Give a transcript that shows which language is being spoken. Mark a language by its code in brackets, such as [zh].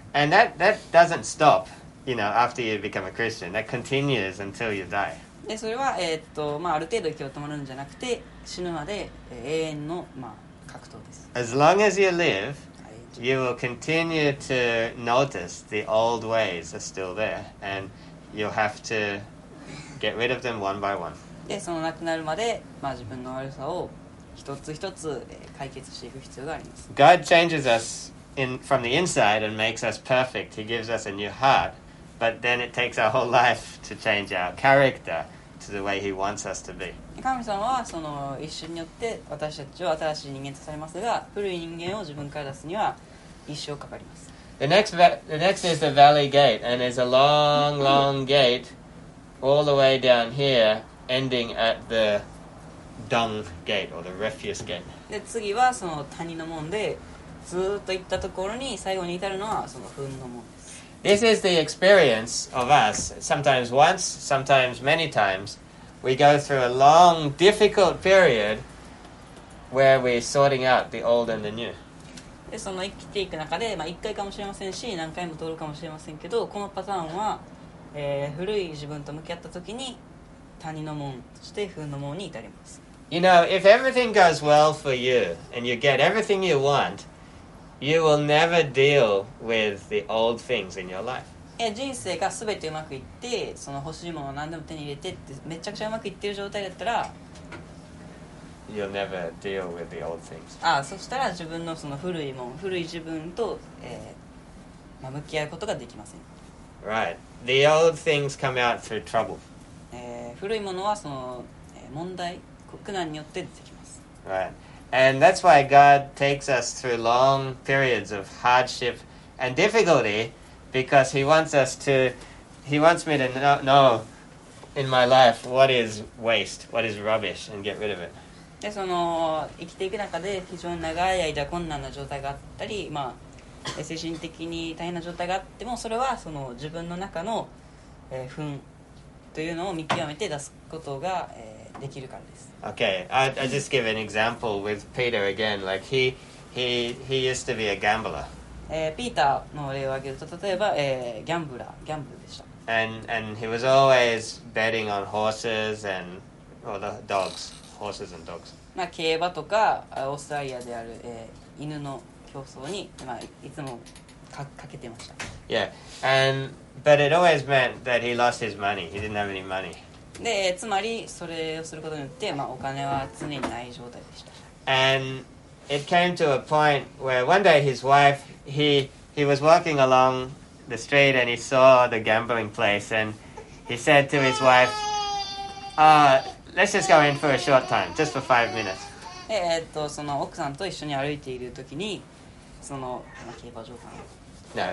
[en] And that doesn't stop, you know, after you become a Christian. That continues until you die. [ja] で、それは、まあ、ある程度息を止まるんじゃなくて、死ぬまで、永遠の、まあ、格闘です。 [en] As long as you live, you will continue to notice the old ways are still there, and you'll have to... Get rid of them one by one. [ja] で、その亡くなるまで、まあ、自分の悪さを一つ一つ、解決していく必要があります。 [en] God changes us from the inside and makes us perfect. He gives us a new heart, but then it takes our whole life to change our character to the way He wants us to be. [ja] 神様はその一瞬によって私たちを新しい人間とされますが、古い人間を自分から出すには一生かかります。 [en] The next is the valley gate, and it's a long, long gate. All the way down here, ending at the dung gate or the refuse gate. [ja] で次はその谷の門で、ずっと行ったところに最後に至るのはその糞の門です。 [en] This is the experience of us. Sometimes once, sometimes many times, we go through a long, difficult period where we're sorting out the old and the new. [ja] でその生きていく中で、まあ一回かもしれませんし、何回も通るかもしれませんけど、このパターンは。古い自分と向き合った時に谷の門として糞の門に至ります。 [en] You know, if everything goes well for you and you get everything you want, you will never deal with the old things in your life. [ja] 人生が全てうまくいって、その欲しいものを何でも手に入れてってめちゃくちゃうまくいってる状態だったら、 [en] You'll never deal with the old things. [ja] そしたら自分のその古いもん、古い自分と、まあ、向き合うことができません。 [en] Right. The old things come out through trouble. [ja] 古いものはその、問題、苦難によって出てきます。 [en] Right. And that's why God takes us through long periods of hardship and difficulty, because he wants me to know in my life what is waste, what is rubbish, and get rid of it. [ja] で、その生きていく中で非常に長い間困難な状態があったり、まあ、精神的に大変な状態があっても、それはその自分の中の糞というのを見極めて出すことが、できるからです。 [en] Okay, I just give an example with Peter again. Like he used to be a gambler. [ja] ピーターの例を挙げると、例えば、ギャンブラー、ギャンブルでした。 [en] And he was always betting on horses and or the dogs, horses and dogs. [ja] まあ競馬とかオーストラリアである、犬の競争に、まあ、いつも かけてました。 [en] Yeah, and but it always meant that he lost his money. He didn't have any money. [ja] でつまりそれをすることによって、まあ、お金は常にない状態でした。 [en] And it came to a point where one day his wife, he was walking along the street and he saw the gambling place and he said to his wife, let's just go in for a short time, just for 5 minutes. [ja] その奥さんと一緒に歩いているときに、その、まあ、競馬場かな。